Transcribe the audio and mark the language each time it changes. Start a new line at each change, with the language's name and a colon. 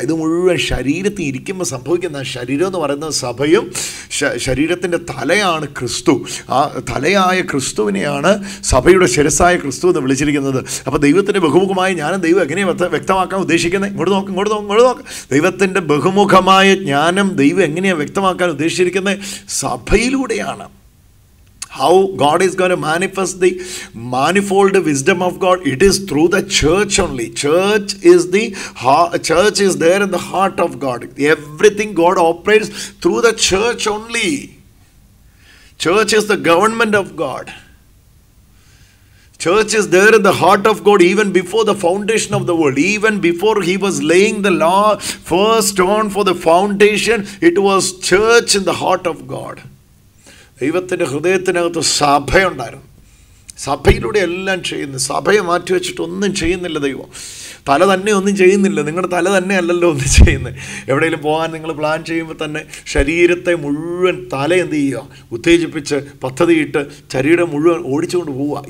Malayalam: ഇത് മുഴുവൻ ശരീരത്തിൽ ഇരിക്കുമ്പോൾ സംഭവിക്കുന്ന ശരീരം എന്ന് പറയുന്ന സഭയും ശരീരത്തിൻ്റെ തലയാണ് ക്രിസ്തു. ആ തലയായ ക്രിസ്തുവിനെയാണ് സഭയുടെ ശിരസായ ക്രിസ്തു എന്ന് വിളിച്ചിരിക്കുന്നത്. അപ്പോൾ ദൈവത്തിൻ്റെ ബഹുമുഖമായ ജ്ഞാനം ദൈവം എങ്ങനെയാണ് വ്യക്തമാക്കാൻ ഉദ്ദേശിക്കുന്നത്? ഇങ്ങോട്ട് നോക്ക്, ഇങ്ങോട്ട് നോക്ക്, ഇങ്ങോട്ട് നോക്ക്. ദൈവത്തിൻ്റെ ബഹുമുഖമായ ജ്ഞാനം ദൈവം എങ്ങനെയാണ് വ്യക്തമാക്കാൻ ഉദ്ദേശിച്ചിരിക്കുന്നത്? സഭയിലൂടെയാണ്.
English: how God is going to manifest the manifold wisdom of God, it is through the church only. Church is there in the heart of God. Everything God operates through the church only. Church is the government of God. Church is there in the heart of God even before the foundation of the world. Even before he was laying the law first stone for the foundation, it was church in the heart of God.
Malayalam: ദൈവത്തിൻ്റെ ഹൃദയത്തിനകത്ത് സഭയുണ്ടായിരുന്നു. സഭയിലൂടെ എല്ലാം ചെയ്യുന്നു. സഭയെ മാറ്റി വെച്ചിട്ട് ഒന്നും ചെയ്യുന്നില്ല ദൈവം. തല തന്നെ ഒന്നും ചെയ്യുന്നില്ല. നിങ്ങളുടെ തല തന്നെ അല്ലല്ലോ ഒന്നും ചെയ്യുന്നത്. എവിടെയെങ്കിലും പോകാൻ നിങ്ങൾ പ്ലാൻ ചെയ്യുമ്പോൾ തന്നെ ശരീരത്തെ മുഴുവൻ തല എന്ത് ചെയ്യുക, ഉത്തേജിപ്പിച്ച് പദ്ധതിയിട്ട് ശരീരം മുഴുവൻ ഓടിച്ചുകൊണ്ട് പോവുക.